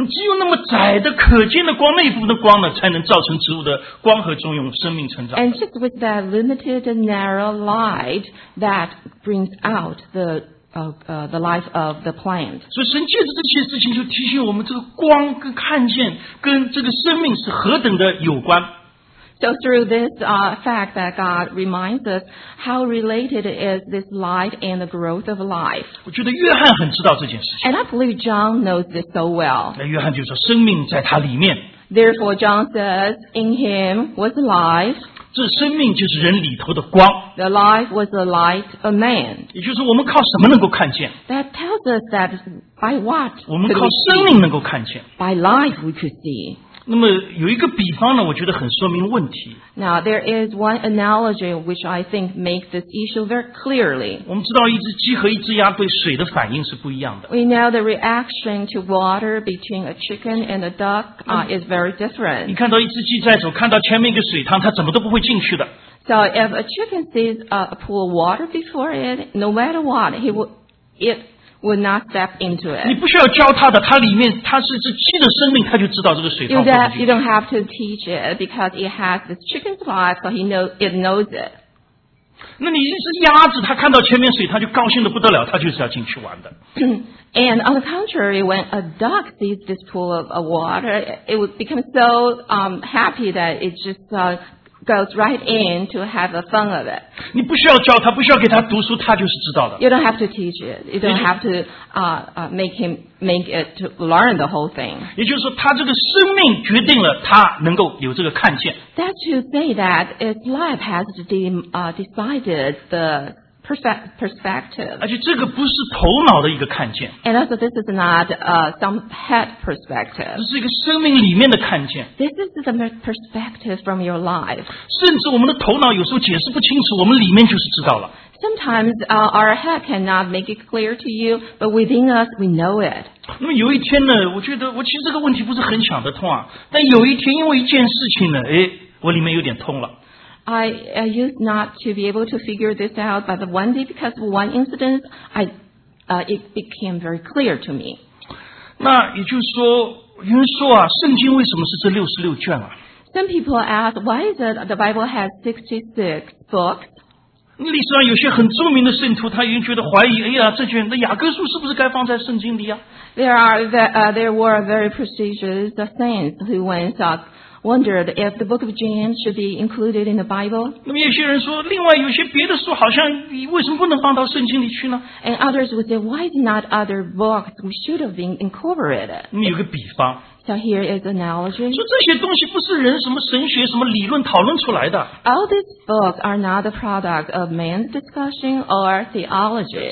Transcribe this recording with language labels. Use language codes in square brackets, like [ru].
[zh] 只有那么窄的可见的光，那一部分的光呢，才能造成植物的光合作用，生命成长。 [en] And just with that limited and narrow light that brings out the life of the plant. [zh] 所以神借着这些事情就提醒我们，这个光跟看见跟这个生命是何等的有关。 [en] So through this fact that God reminds us, how related is this light and the growth of life? [zh] 我觉得约翰很知道这件事情。 [en] And I believe John knows this so well. [zh] 那约翰就说，生命在他里面。 [en] Therefore, John says, in him was life. [zh] 这生命就是人里头的光。 [en] The life was the light of man. [zh] 也就是我们靠什么能够看见 [en] ？That tells us that by what? [zh] 我们靠生命能够看见。 [en] By life we could see. [zh] 那么有一个比方呢，我觉得很说明问题。 [en] Now there is one analogy which I think makes this issue very clearly. [zh] 我们知道一只鸡和一只鸭对水的反应是不一样的。 [en] We know the reaction to water between a chicken and a duck is very different. [zh] 你看到一只鸡在走，看到前面一个水塘，它怎么都不会进去的。 [en] So if a chicken sees a pool of water before it, no matter what, would not step into it. [zh] 你不需要教他的，它里面它是一只鸡的生命，它就知道这个水塘会不会进去。 [en] You don't have to teach it because it has this chicken's life, so it knows it. [zh] 那你一只鸭子，它看到前面水，它就高兴的不得了，它就是要进去玩的。 [en] And on the contrary, when a duck sees this pool of water, it would become so happy that it just goes right in to have a fun of it. [zh] 你不需要教他，不需要给他读书，他就是知道的。 [en] You don't have to teach it. You don't have to make it to learn the whole thing. [zh] 也就是说，他这个生命决定了他能够有这个看见。 [en] That's to say that his life has decided the perspective. [zh] 而且这个不是头脑的一个看见。 [en] And also, this is not some head perspective. [zh] 这是一个生命里面的看见。 [en] This is the perspective from your life. [zh] 甚至我们的头脑有时候解释不清楚，我们里面就是知道了。 [en] Sometimes our head cannot make it clear to you, but within us, we know it. [zh] 那么有一天呢，我觉得我其实这个问题不是很想得通啊。但有一天，因为一件事情呢，哎，我里面有点通了。 [en] I used not to be able to figure this out, but one day because of one incident, it became very clear to me. [zh] 那也就是说，有人说啊，圣经为什么是这六十六卷啊？ [en] Some people ask, why is it the Bible has 66 books? [zh] 历史上有些很著名的圣徒，他已经觉得怀疑，哎呀，这卷的雅各书是不是该放在圣经里啊？ [en] There were very prestigious saints who went out. Wondered if the book of James should be included in the Bible. [zh] 那么有些人说，另外有些别的书好像为什么不能放到圣经里去呢？ [en] And others would say, why not other books should have been incorporated? [zh] 那么有个比方。 [en] So here is an analogy. [zh] 说这些东西不是人什么神学什么理论讨论出来的。 [en] All these books are not the product of man's discussion or theology.